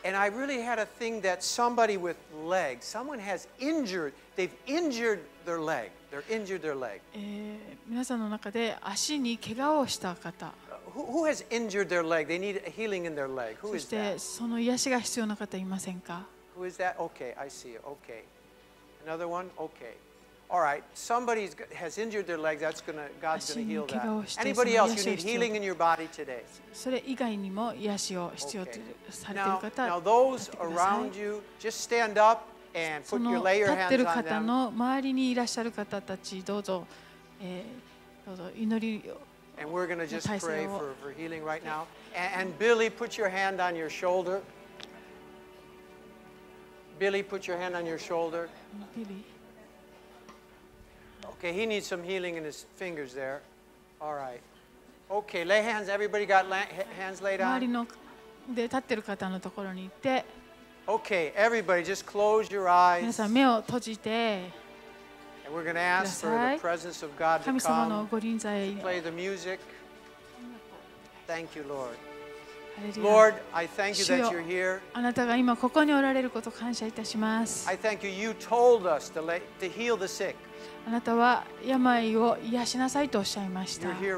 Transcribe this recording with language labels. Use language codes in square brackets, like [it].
[en] And I really had a thing that somebody with legs, someone has injured, they've injured their leg. They're injured their leg. [ja] 皆さんの中で足に怪我をした方。 [en] Who has injured their leg? They need a healing in their leg. Who is that? [ja] そしてその癒しが必要な方いませんか。 [en] Who is that? Okay, I see it. Okay. Another one? Okay. All right. Somebody has injured their leg. That's gonna God's gonna heal that. Anybody else? You need healing in your body today. [ja] それ以外にも癒しを必要とされている方、 [en] Now those around you, just stand up and put your lay your hands on them. [ja] その立ってる方の周りにいらっしゃる方たち、どうぞ、どうぞ祈りを。 [en] And we're gonna just pray for healing right now. And Billy, put your hand on your shoulder. Billy, put your hand on your shoulder. Billy. Okay, he needs some healing in his fingers there. All right. Okay, lay hands. Everybody got hands laid on? [ja] 周りので立ってる方のところに行って。 [en] Okay, everybody, just close your eyes. [ja] 皆さん目を閉じて。 [en] And we're going to ask for the presence of God to come. [ja] 神様のご臨在を。 [en] Play the music. Thank you, Lord. Hallelujah. Lord, I thank you that you're here. [ja] あなたが今ここにおられることを感謝いたします。 [en] I thank you. You told us to heal the sick. [ja] あなたは病を癒しなさいとおっしゃいました。